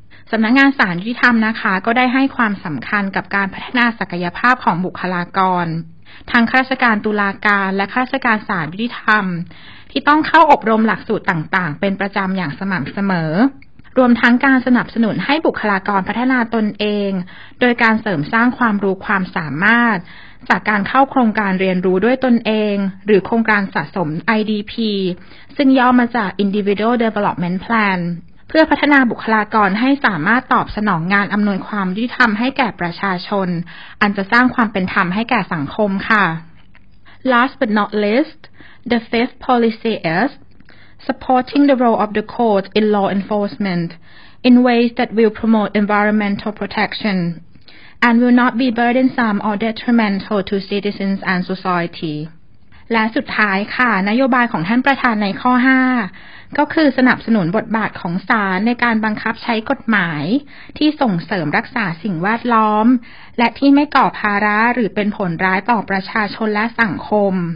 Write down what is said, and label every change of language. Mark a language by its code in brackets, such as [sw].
[th] สำนักงานศาลยุติธรรมนะคะก็ได้ให้ความสำคัญกับการพัฒนาศักยภาพของบุคลากรทั้งข้าราชการตุลาการและข้าราชการศาลยุติธรรมที่ต้องเข้าอบรมหลักสูตรต่างๆเป็นประจำอย่างสม่ำเสมอรวมทั้งการสนับสนุนให้บุคลากรพัฒนาตนเองโดยการเสริมสร้างความรู้ความสามารถจากการเข้าโครงการเรียนรู้ด้วยตนเองหรือโครงการสะสม IDP ซึ่งย่อมาจาก Individual Development Plan เพื่อพัฒนาบุคลากรให้สามารถตอบสนองงานอำนวยความยุติธรรมให้แก่ประชาชนอันจะสร้างความเป็นธรรมให้แก่สังคมค่ะ [en] Last but not least the fifth policy is supporting the role of the court in law enforcement in ways that will promote environmental protectionand will not be burdensome or detrimental to citizens and society. [th] และสุดท้ายค่ะนโยบายของท่านประธานในข้อ5ก็คือสนับสนุนบทบาทของศาลในการบังคับใช้กฎหมายที่ส่งเสริมรักษาสิ่งแวดล้อมและที่ไม่ก่อภาระหรือเป็นผลร้ายต่อประชาชนและสังคม